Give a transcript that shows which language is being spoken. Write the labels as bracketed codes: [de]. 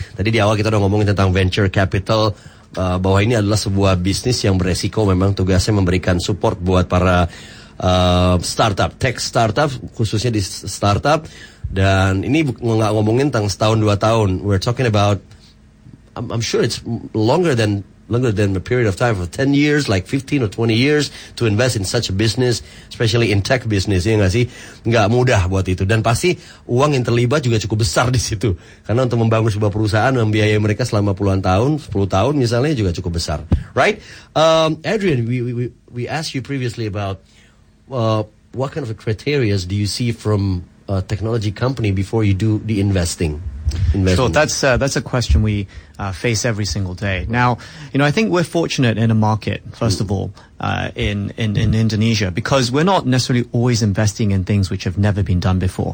[id] Tadi di awal kita udah ngomongin tentang venture capital, bahwa ini adalah sebuah bisnis yang beresiko. Memang tugasnya memberikan support buat para startup, tech startup, khususnya di startup. Dan ini nggak ngomongin tentang setahun, dua tahun. [en] We're talking about, I'm sure it's longer than a period of time of 10 years, like 15 or 20 years to invest in such a business, especially in tech business, [id] ya nggak sih? Nggak mudah buat itu. Dan pasti uang yang terlibat juga cukup besar di situ. Karena untuk membangun sebuah perusahaan, membiayai mereka selama puluhan tahun, 10 tahun misalnya, juga cukup besar. [en] Right? Adrian, we asked you previously about what kind of criteria do you see from a technology company before you do the investing? So that's a question we face every single day. Now, you know, I think we're fortunate in a market, first of all, in Indonesia, because we're not necessarily always investing in things which have never been done before.